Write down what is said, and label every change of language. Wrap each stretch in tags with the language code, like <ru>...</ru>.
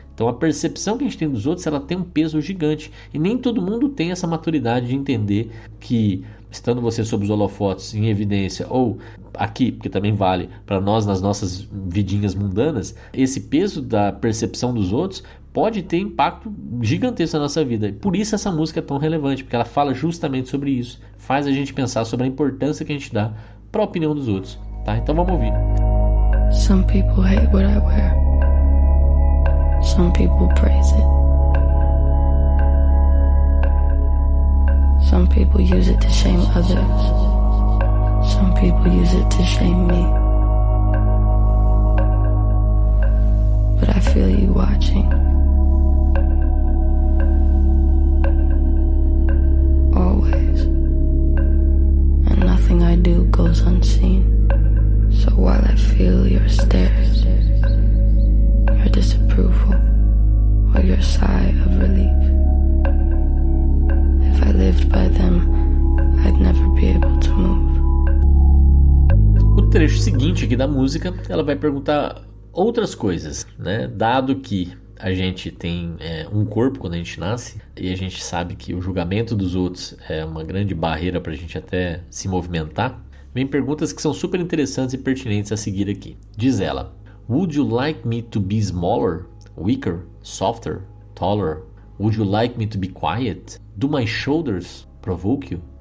<pt>Então a percepção que a gente tem dos outros, ela tem um peso gigante. E nem todo mundo tem essa maturidade de entender que, estando você sob os holofotes em evidência, ou aqui, porque também vale para nós nas nossas vidinhas mundanas, esse peso da percepção dos outros pode ter impacto gigantesco na nossa vida. Por isso essa música é tão relevante, porque ela fala justamente sobre isso. Faz a gente pensar sobre a importância que a gente dá para a opinião dos outros, tá? Então vamos ouvir.</pt> <en>Some people hate what I wear. Some people praise it. Some people use it to shame others. Some people use it to shame me. But I feel you watching. Always. And nothing I do goes unseen. So while I feel your stares, your disapproval, or your sigh of relief, if I lived by them, I'd never be able to move.</en> <pt>O trecho seguinte aqui da música, ela vai perguntar outras coisas, né? Dado que a gente tem um corpo quando a gente nasce, e a gente sabe que o julgamento dos outros é uma grande barreira para a gente até se movimentar, vem perguntas que são super interessantes e pertinentes a seguir aqui. Diz ela:</pt> <en>Would you like me to be smaller, weaker, softer, taller? Would you like me to be quiet? Do my shoulders provoke you?</en>